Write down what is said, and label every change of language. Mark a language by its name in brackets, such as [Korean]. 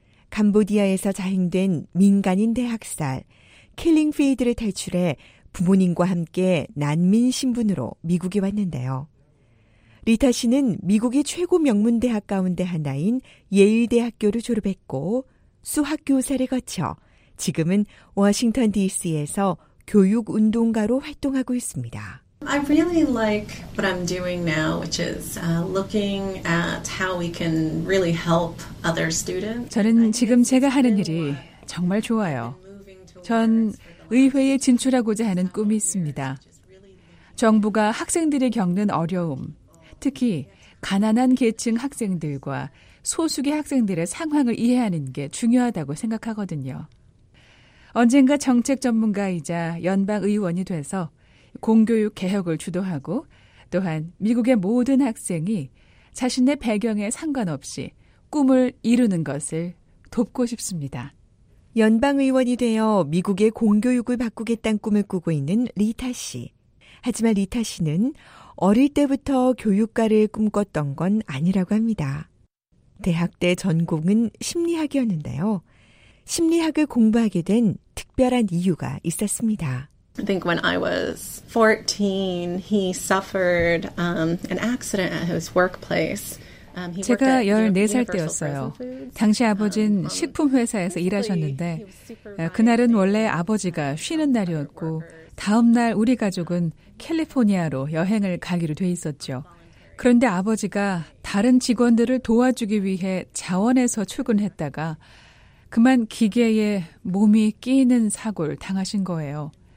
[Korean] 캄보디아에서 자행된 민간인 대학살, 킬링필드를 탈출해 부모님과 함께 난민 신분으로 미국에 왔는데요. 리타 씨는 미국의 최고 명문대학 가운데 하나인 예일대학교를 졸업했고 수학교사를 거쳐 지금은 워싱턴 DC에서 교육운동가로 활동하고 있습니다. [English] I really like what I'm doing now, which is looking at how we can really help other students. [Korean] 저는 지금 제가 하는 일이 정말 좋아요. 전 의회에 진출하고자 하는 꿈이 있습니다. 정부가 학생들이 겪는 어려움, 특히 가난한 계층 학생들과 소수계 학생들의 상황을 이해하는 게 중요하다고 생각하거든요. 언젠가 정책 전문가이자 연방의원이 돼서 공교육 개혁을 주도하고 또한 미국의 모든 학생이 자신의 배경에 상관없이 꿈을 이루는 것을 돕고 싶습니다. 연방의원이 되어 미국의 공교육을 바꾸겠다는 꿈을 꾸고 있는 리타 씨. 하지만 리타 씨는 어릴 때부터 교육가를 꿈꿨던 건 아니라고 합니다. 대학 때 전공은 심리학이었는데요. 심리학을 공부하게 된 특별한 이유가 있었습니다. [English] I think when I was 14, he suffered an accident at his workplace. [Korean] 제가 14살 때였어요. 당시 아버지는 식품회사에서 일하셨는데 그날은 원래 아버지가 쉬는 날이었고 다음 날 우리 가족은 캘리포니아로 여행을 가기로 돼 있었죠. 그런데 아버지가 다른 직원들을 도와주기 위해 자원해서 출근했다가 그만 기계에 몸이 끼이는 사고를 당하신 거예요.